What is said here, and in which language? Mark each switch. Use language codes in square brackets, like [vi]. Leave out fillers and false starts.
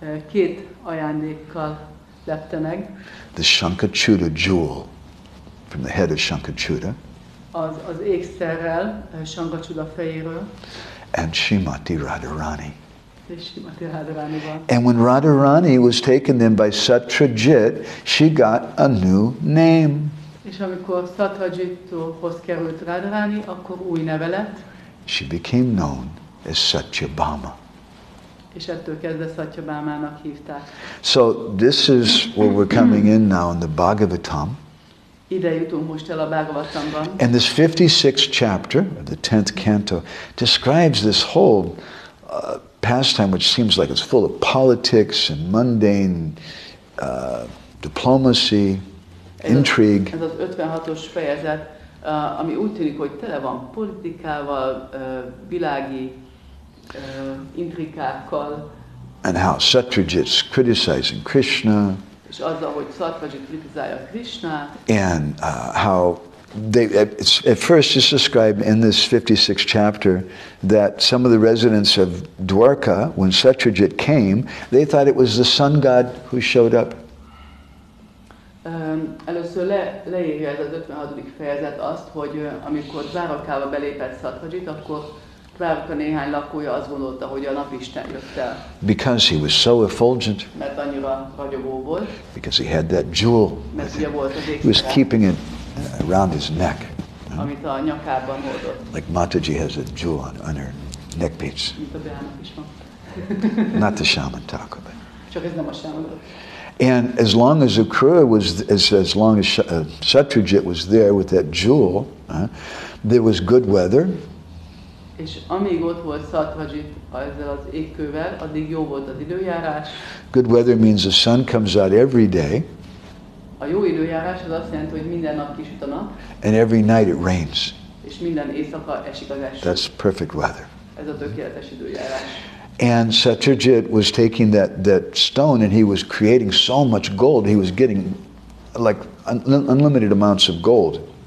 [hu] Két ajándékkal lepte meg. [en] The Shankachuda jewel from the head of Shankachuda. [hu] Az ékszerrel Shankachuda fejéről. [en] And Srimati Radharani. [hu] Srimati Radharani. [en] And when Radharani was taken then by Satrajit, she got a new name. [hu] És amikor Satrajithoz került Radharani, akkor új neve lett. [en] She became known as Satyabhama. [hu] És ettől kezdve Satyabhamának hívták. [en] So this is where we're coming in now in the Bhagavatam. [hu] Ide jutunk most el a Bhagavatamban. [en] And this 56th chapter, the 10th canto, describes this whole pastime which seems like it's full of politics and mundane diplomacy, intrigue. [hu] Ez az 56-os fejezet, ami úgy tűnik, hogy tele van politikával, világi, intrikákkal. [en] And how Satrajit's criticizing Krishna. [hu] És azzal, hogy Satrajit kritizálja Krishnát. [en] And how they at first is described in this 56th chapter that some of the residents of Dwarka, when Satrajit came, they thought it was the sun god who showed up. [hu] Először leírja ez az 56. fejezet azt, hogy amikor Dwarkába belépett Satrajit, akkor Dwarka néhány lakója azt gondolta, hogy a napisten jött el. [en] Because he was so effulgent. [hu] Mert annyira ragyogó volt. [en] Because he had that jewel. [hu] Mert ugye volt az ékszere. [en] He was keeping it around his neck. [hu] Amit a nyakában hordott. [en] Like Mataji has a jewel on her neck piece. [hu] Mint a beának is van. [en] Not the shaman talk of it. [hu] Csak ez nem a [en] shaman talk. And as long as Ukura was, as long as Satrajit was there with that jewel, there was good weather. [hu] És amíg ott volt Satrajit ezzel az ékkővel, addig jó volt az időjárás. [en] Good weather means the sun comes out every day. [hu] A jó időjárás az azt jelenti, hogy minden nap kisüt a nap. [en] And every night it rains. [hu] És minden éjszaka esik az eső. [en] That's perfect weather. [hu] Ez a tökéletes időjárás. [en] And Satrajit was taking that stone and he was creating so much gold. He was getting like unlimited amounts of gold.